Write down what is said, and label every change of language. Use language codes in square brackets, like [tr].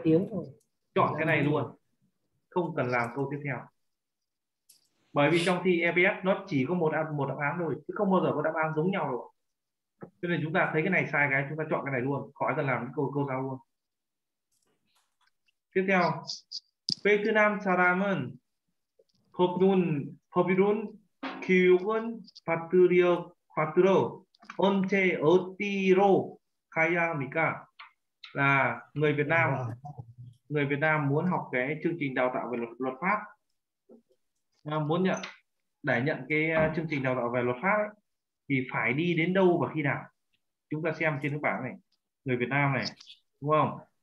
[vi] rồi Chọn cái này luôn. Không cần làm câu tiếp theo. Bởi vì trong thi EBS nó chỉ có một đáp án thôi, chứ không bao giờ có đáp án giống nhau rồi. Cho nên chúng ta thấy cái này sai cái chúng ta chọn cái này luôn, khỏi cần làm câu sau luôn. Tiếp theo, [ko] Việt Nam 사람은 법률 법률 교육은 받으려 받으러 언제 어디로 가야 합니까? [vi] Là người Việt Nam muốn học cái chương trình đào tạo về luật pháp, muốn nhận để nhận cái chương trình đào tạo về luật pháp ấy, thì phải đi đến đâu và khi nào? Chúng ta xem trên cái bảng này, người Việt Nam này, đúng không?